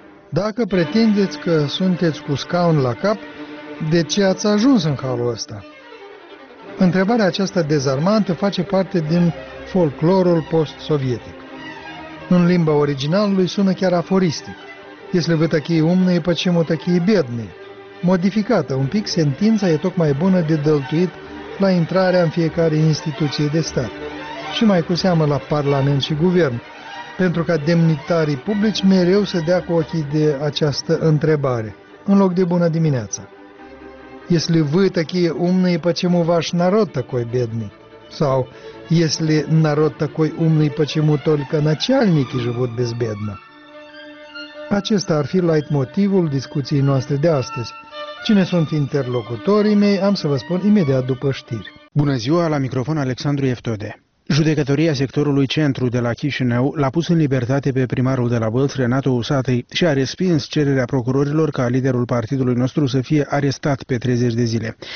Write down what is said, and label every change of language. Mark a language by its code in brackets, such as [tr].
[ro] Dacă pretindeți că sunteți cu scaun la cap, de ce ați ajuns în halul ăsta? Întrebarea aceasta dezarmantă face parte din folclorul post-sovietic. În limba originalului sună chiar aforistic. [ru] Если вы такие умные, почему такие бедные? [ro] Modificată un pic, sentința e tocmai bună de dăltuit la intrarea în fiecare instituție de stat. Și mai cu seamă la parlament și guvern, pentru ca demnitarii publici mereu să dea cu ochii de această întrebare, în loc de bună dimineața. [ru] Если вы такие умные, почему ваш народ такой бедный? [ro] Sau, [ru] если народ такой умный, почему только начальники живут безбедно? [ro] Acesta ar fi leitmotivul discuției noastre de astăzi. Cine sunt interlocutorii mei, am să vă spun imediat după știri. Bună ziua, la microfon Alexandru Eftode. Judecătoria sectorului centru de la Chișinău l-a pus în libertate pe primarul de la Bălți, Renato Usatăi, și a respins cererea procurorilor ca liderul partidului nostru să fie arestat pe 30 de zile.